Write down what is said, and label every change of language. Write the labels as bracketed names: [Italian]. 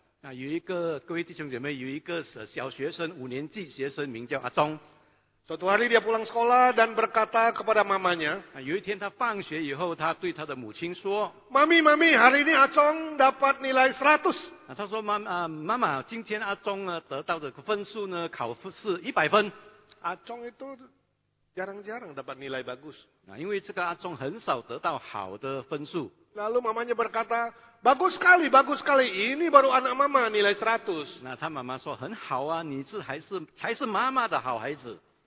[Chinese] Nah, 有一个各位弟兄姐妹，有一个小学生五年级学生名叫阿忠。 [Indonesian] Suatu hari dia pulang sekolah dan berkata kepada mamanya. [Chinese] 有一天他放学以后，他对他的母亲说， [Indonesian] Mami, mami, hari ini Acong dapat nilai 100. [Chinese] 他说， Mama, 今天阿忠得到的分数呢，考试100分。 [Indonesian] Acong itu jarang-jarang dapat nilai bagus. [Chinese] 因为这个阿忠很少得到好的分数。 [Indonesian] Lalu mamanya berkata, bagus sekali, ini baru anak mama nilai 100. [Chinese] 那他妈妈说，很好啊，你这还是妈妈的好孩子。